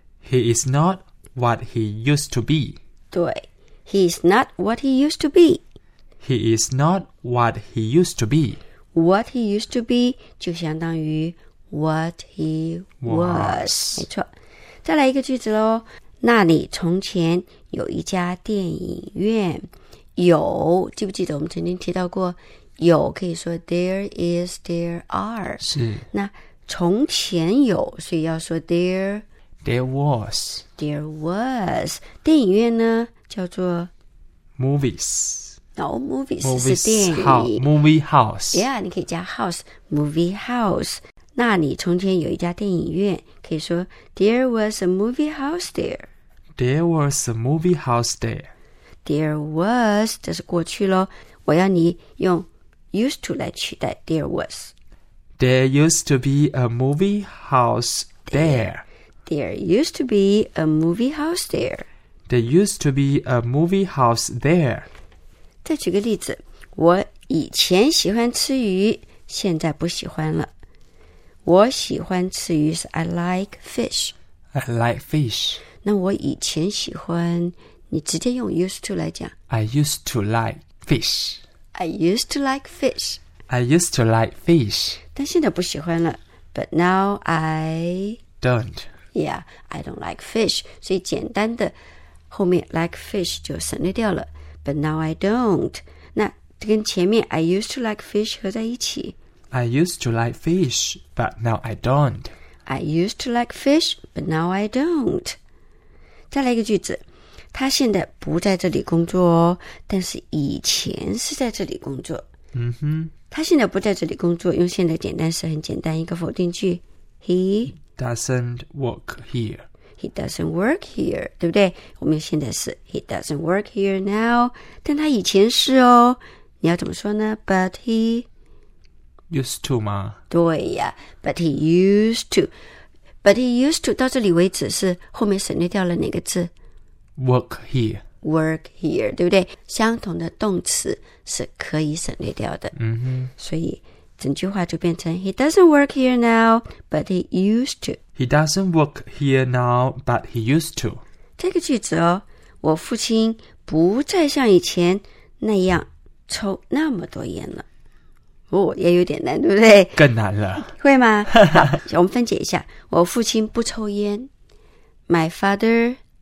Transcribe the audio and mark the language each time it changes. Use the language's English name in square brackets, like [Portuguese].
[English] He is not what he used to be. 对， He is not what he used to be. He is not what he used to be. What he used to be [Chinese] 就相当于 [English] What he was. [Chinese] 没错。再来一个句子咯。那里从前有一家电影院。有，记不记得我们曾经提到过有可以说 [English] there is, there are. [Chinese] 是。那从前有，所以要说 there. [English] There was. There was. [Chinese] 电影院呢，叫做 [English] movies. Movies [Chinese] 是电影 [English] Movie house Yeah, [Chinese] 你可以加 [English] house Movie house [Chinese] 那你从前有一家电影院可以说 [English] There was a movie house there There was a movie house there There was [Chinese] 这是过去咯我要你用 used to 来取代 There was [English] There used to be a movie house there There used to be a movie house there There used to be a movie house there [Chinese] 再举个例子，我以前喜欢吃鱼，现在不喜欢了。我喜欢吃鱼是 [English] I like fish. I like fish. [Chinese] 那我以前喜欢，你直接用 used to 来讲。 [English] I used to like fish. I used to like fish. I used to like fish. [Chinese] 但现在不喜欢了。 [English] But now I don't. Yeah, I don't like fish. [Chinese] 所以简单的后面 [English] like fish [Chinese] 就省略掉了。 [English] But now I don't. [Chinese] 那跟前面 [English] I used to like fish [Chinese] 合在一起。 [English] I used to like fish, but now I don't. I used to like fish, but now I don't. [Chinese] 再来一个句子，他现在不在这里工作哦，但是以前是在这里工作。嗯哼。他现在不在这里工作，用现在简单时很简单一个否定句。 [English] He doesn't work here. He doesn't work here, [Chinese] 对不对？我们现在是 [English] He doesn't work here now, [Chinese] 但他以前是哦。你要怎么说呢 ？ [English] But he used to [Chinese] 吗？对呀 ， [English] But he used to, [Chinese] but he used to 到这里为止是后面省略掉了哪个字 [English] ？Work here, work here, [Chinese] 对不对？相同的动词是可以省略掉的。嗯哼，所以。整句话就变成 [English] He doesn't work here now, but he used to. He doesn't work here now, but he used to. [Chinese] 这个句子哦，我父亲不再像以前那样抽那么多烟了。哦，也有点难，对不对？更难了。会吗？好，我们分解一下。我父亲不抽烟。 [English] My father